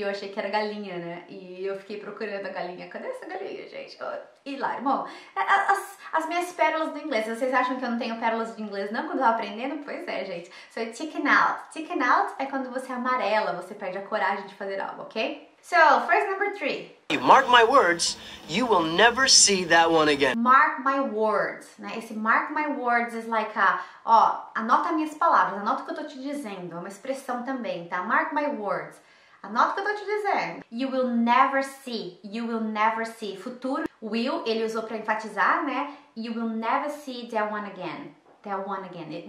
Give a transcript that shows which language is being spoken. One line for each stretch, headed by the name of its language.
Portuguese: Eu achei que era galinha, né? E eu fiquei procurando a galinha. Cadê essa galinha, gente? Hilário. Bom, as minhas pérolas do inglês. Vocês acham que eu não tenho pérolas de inglês, não, quando eu tô aprendendo? Pois é, gente.
English: So, chicken out.
Portuguese: Chicken out é quando você amarela, você perde a coragem de fazer algo, ok?
English: So, phrase number three. Mark my words, you will never see that one again. Mark my words, né?
Portuguese: Esse
English: mark my words is like a,
Portuguese: ó, anota minhas palavras, anota o que eu tô te dizendo. É uma expressão também, tá?
English: Mark my words,
Portuguese: anota o que eu tô te dizendo.
English: You will never see.
Portuguese: Futuro, will, ele usou pra enfatizar, né?
English: You will never see that one again. That one again.